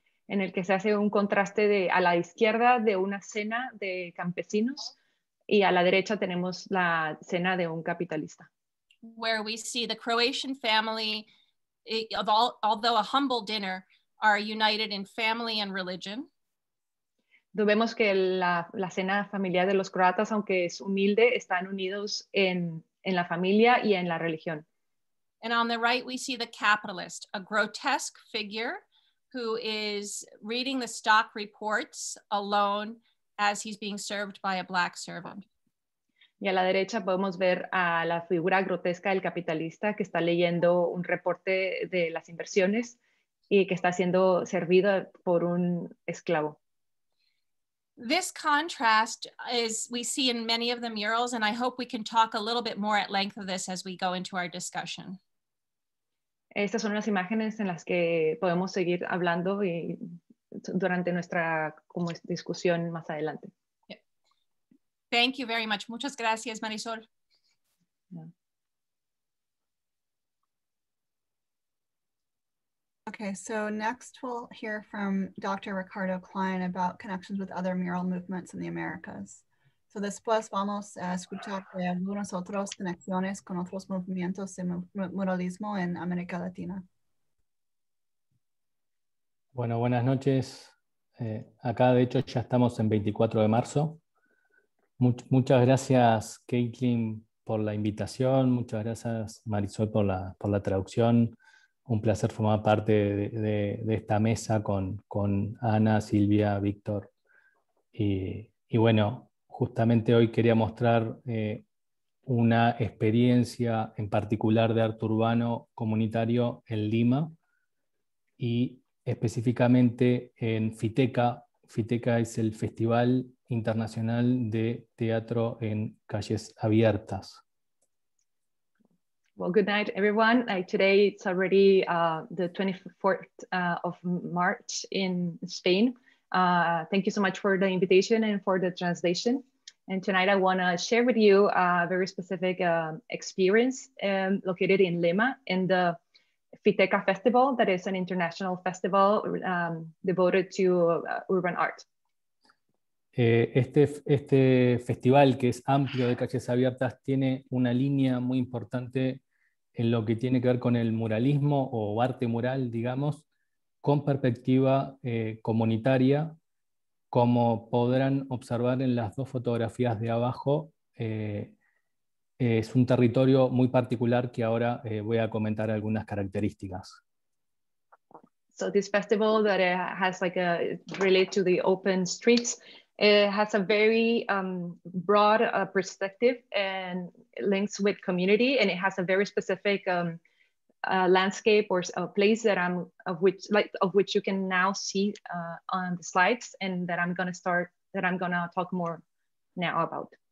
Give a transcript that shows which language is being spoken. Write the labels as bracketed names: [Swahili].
[Spanish] En el que se hace un contraste de a la izquierda de una cena de campesinos y a la derecha tenemos la cena de un capitalista. [English] Where we see the Croatian family, although a humble dinner, are united in family and religion. [Spanish] vemos que la cena familiar de los croatas, aunque es humilde, están unidos en la familia y en la religión. [English] And on the right, we see the capitalist, a grotesque figure who is reading the stock reports alone as he's being served by a black servant. [Spanish] Y a la derecha podemos ver a la figura grotesca del capitalista que está leyendo un reporte de las inversiones y que está siendo servido por un esclavo. [English] This contrast is we see in many of the murals, and I hope we can talk a little bit more at length of this as we go into our discussion. [Spanish] Estas son las imágenes en las que podemos seguir hablando y durante nuestra como discusión más adelante. [English] Thank you very much. [Spanish] Muchas gracias, Marisol. [English] Okay, so next we'll hear from Dr. Ricardo Klein about connections with other mural movements in the Americas. [Spanish] So después vamos a escuchar de algunas otras conexiones con otros movimientos de muralismo en América Latina. Bueno, buenas noches. Acá de hecho ya estamos en 24 de marzo. Muchas gracias, Caitlin, por la invitación. Muchas gracias, Marisol, por la traducción. Un placer formar parte de esta mesa con Ana, Silvia, Víctor. Y bueno, justamente hoy quería mostrar una experiencia en particular de arte urbano comunitario en Lima y específicamente en Fiteca. Fiteca es el Festival Internacional de Teatro en Calles Abiertas. [English] Well, good night, everyone. Today it's already the 24th of March in Spain. Thank you so much for the invitation and for the translation. And tonight I want to share with you a very specific experience located in Lima in the Fiteca Festival, that is an international festival devoted to urban art. [Spanish] Este festival, que es amplio, de calles abiertas, tiene una línea muy importante en lo que tiene que ver con el muralismo o arte mural, digamos, con perspectiva comunitaria, como podrán observar en las dos fotografías de abajo. Es un territorio muy particular que ahora voy a comentar algunas características. [English] So this festival that has like a relate to the open streets, it has a very broad perspective and links with community, and it has a very specific landscape or a place that I'm of which you can now see on the slides, and that I'm gonna talk more now about.